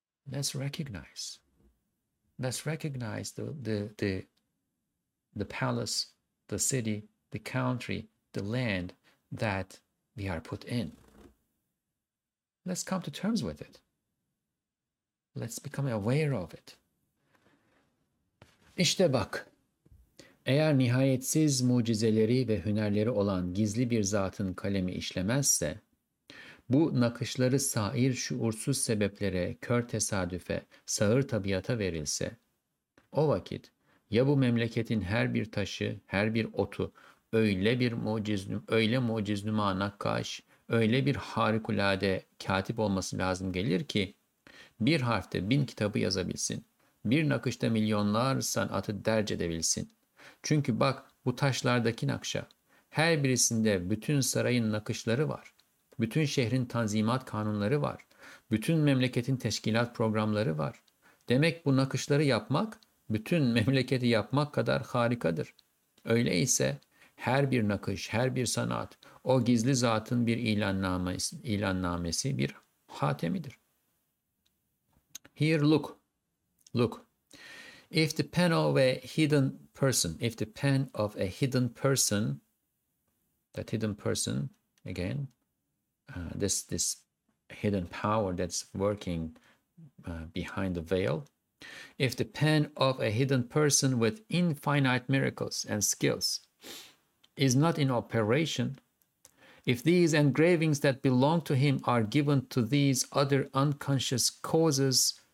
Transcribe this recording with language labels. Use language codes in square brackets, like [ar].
[en] Let's recognize. Let's recognize the palace, the city, the country, the land that we are put in. Let's come to terms with it. Let's become aware of it. [tr] İşte bak, eğer nihayetsiz mucizeleri ve hünerleri olan gizli bir zatın kalemi işlemezse, bu nakışları sair şuursuz sebeplere, kör tesadüfe, sağır tabiata verilse, o vakit ya bu memleketin her bir taşı, her bir otu öyle bir mucizlüma nakkaş, öyle bir harikulade katip olması lazım gelir ki bir harfte 1000 kitabı yazabilsin, bir nakışta milyonlar sanatı derc edebilsin. Çünkü bak bu taşlardaki nakşa, her birisinde bütün sarayın nakışları var, bütün şehrin tanzimat kanunları var, bütün memleketin teşkilat programları var. Demek bu nakışları yapmak, bütün memleketi yapmak kadar harikadır. Öyleyse her bir nakış, her bir sanat, o gizli zatın bir ilannamesi, bir hatemidir. [en] Here, look. Look. If the pen of a hidden person, if the pen of a hidden person, that hidden person, again, this hidden power that's working behind the veil, if the pen of a hidden person with infinite miracles and skills is not in operation, if these engravings that belong to him are given to these other unconscious causes,